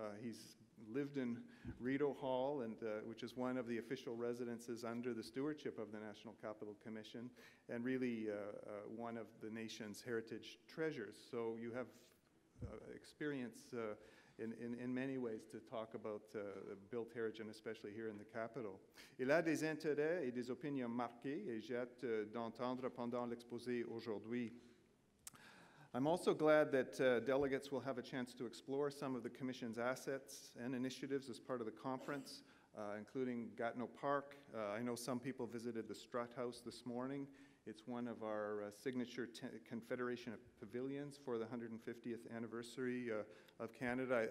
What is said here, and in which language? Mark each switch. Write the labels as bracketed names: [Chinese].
[English] He's lived in Rideau Hall, which is one of the official residences under the stewardship of the National Capital Commission, and really one of the nation's heritage treasures. So you have experience in many ways to talk about the built heritage, and especially here in the Capitol. [French] Il a des intérêts et des opinions marquées, et j'ai hâte d'entendre pendant l'exposé aujourd'hui. [English] I'm also glad that delegates will have a chance to explore some of the Commission's assets and initiatives as part of the conference, including Gatineau Park. I know some people visited the Strutt House this morning. It's one of our signature Confederation of Pavilions for the 150th anniversary of Canada.